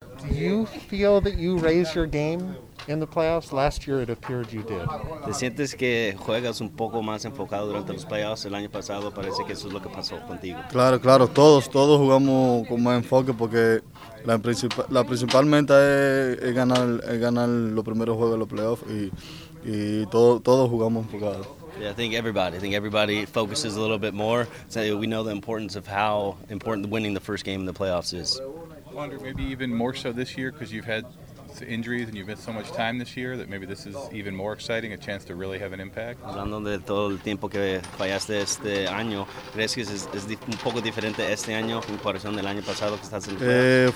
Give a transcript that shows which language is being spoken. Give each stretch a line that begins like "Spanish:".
English: Do you feel that you raised your game in the playoffs? Last year it appeared you did.
Spanish: ¿Te sientes que juegas un poco más enfocado durante los playoffs? El año pasado parece que eso es lo que pasó contigo. Claro, claro. Todos jugamos con más enfoque porque la principal meta es ganar los primeros juegos de los playoffs y todos jugamos enfocados.
English: Yeah, I think everybody focuses a little bit more. So we know the importance of how important winning the first game in the playoffs is. I wonder maybe even more so this year because you've had injuries and you've missed so much time this year that maybe this is even more exciting, a chance to really have an impact.
Spanish: Hablando de todo el tiempo que fallaste este año, ¿crees que es un poco diferente este año en comparación del año pasado que estás en playoffs?